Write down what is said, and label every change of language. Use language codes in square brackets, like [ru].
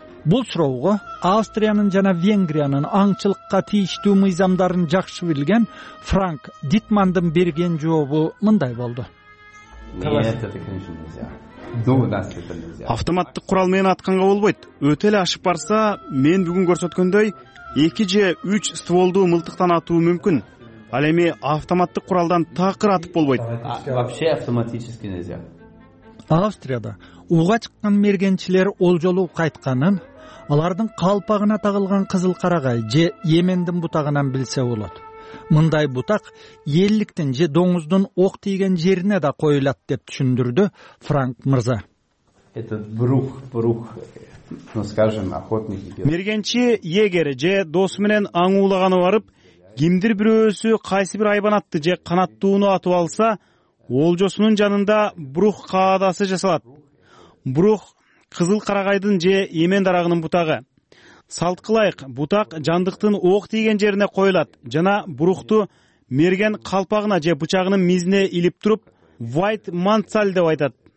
[ky] Бул суроого Австриянын жана Венгриянын аңчылыкка тийиштүү мыйзамдарын жакшы билген Франк Дитмандын берген жообу мындай болду. Автоматтык курал менен атканга болбойт. Өтө эле ашып барса, мен бүгүн көрсөткөндөй 2 же 3 стволдуу мылтыктан атуу мүмкүн. Ал эми автоматтык куралдан такыр атып болбойт. [ru] Вообще автоматически нельзя. [ky] Австрияда ууга чыккан мергенчилер олжолуу кайтканын алардын калпагына тагылган кызыл карагай же эмендин бутагынан билсе болот. Мындай бутак элликтин же доңуздун ок тийген жерине да коюлат деп түшүндүрдү Франк мырза. [ru] Этот брух ну скажем охотник идет. [ky] Мергенчи егери же досу менен аңуулаганы барып кимдир бирөөсү кайсы бир айбанатты же канаттууну атып алса олжосунун жанында брух каадасы жасалат. Брух кызыл карагайдын же эмен дарагынын бутагы. Салткылайык бутак жандыктын ок тийген жерине коюлат жана брухту мерген калпагына же бычагынын мизине илип туруп white mansal деп айтат.